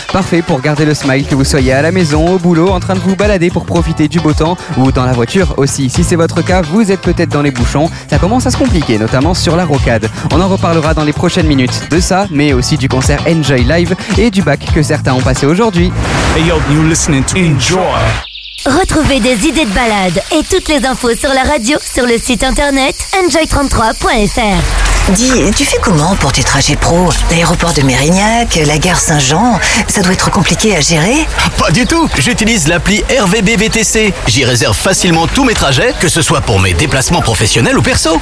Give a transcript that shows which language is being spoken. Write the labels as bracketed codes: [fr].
[fr] Parfait pour garder le smile, que vous soyez à la maison, au boulot, en train de vous balader pour profiter du beau temps ou dans la voiture aussi. Si c'est votre cas, vous êtes peut-être dans les bouchons. Ça commence à se compliquer, notamment sur la rocade. On en reparlera dans les prochaines minutes de ça, mais aussi du concert Enjoy Live et du bac que certains ont passé aujourd'hui. [en] Hey yo, you listening to Enjoy. [fr] Retrouvez des idées de balade et toutes les infos sur la radio sur le site internet enjoy33.fr. Dis, tu fais comment pour tes trajets pro? L'aéroport de Mérignac, la gare Saint-Jean, ça doit être compliqué à gérer? Pas du tout! J'utilise l'appli RVB VTC. J'y réserve facilement tous mes trajets, que ce soit pour mes déplacements professionnels ou perso.